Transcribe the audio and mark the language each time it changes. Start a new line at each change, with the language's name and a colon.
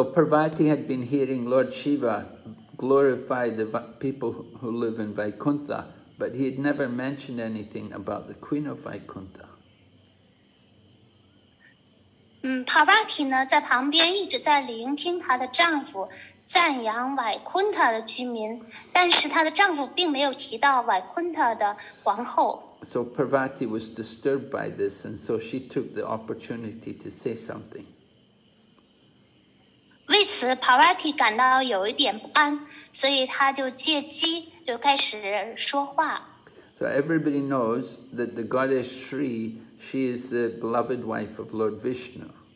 English: Parvati had been hearing Lord Shiva glorify the people who live in Vaikuntha, but he had never mentioned anything about the Queen of Vaikuntha.
Chinese: Parvati呢，在旁边一直在聆听她的丈夫。赞扬瓦昆塔的居民，但是她的丈夫并没有提到瓦昆塔的皇后。So
English: Parvati was disturbed by this, and so she took the opportunity to say something.
Chinese: 为此，Parvati感到有一点不安，所以她就借机就开始说话。
English: So everybody knows that the goddess Sri, she is the beloved wife of Lord Vishnu.